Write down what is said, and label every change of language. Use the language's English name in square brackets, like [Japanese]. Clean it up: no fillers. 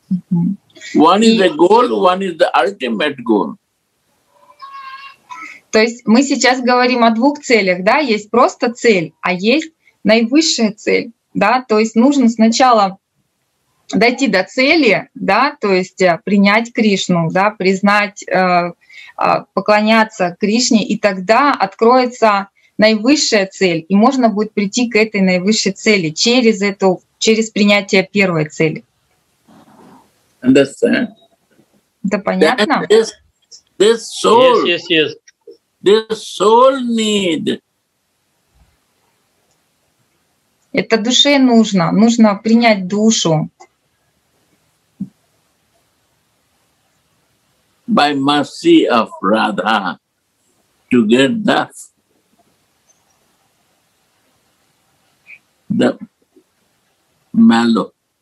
[English] One is the goal, one is the ultimate goal. [Russian] То есть мы сейчас говорим о двух целях, да? Есть просто цель, а есть наивысшая цель, да? То есть нужно сначала дойти до цели, да? То есть принять Кришну, да? Признать, поклоняться Кришне, и тогда откроется наивысшая цель, и можно будет прийти к этой наивысшей цели через эту, через принятие первой цели. [English] Understand? [Russian] Да, понятно. [English] This soul, yes. This soul need. [Russian] Это душе нужно, нужно принять душу. [English] By mercy of Radha, to get the mellow.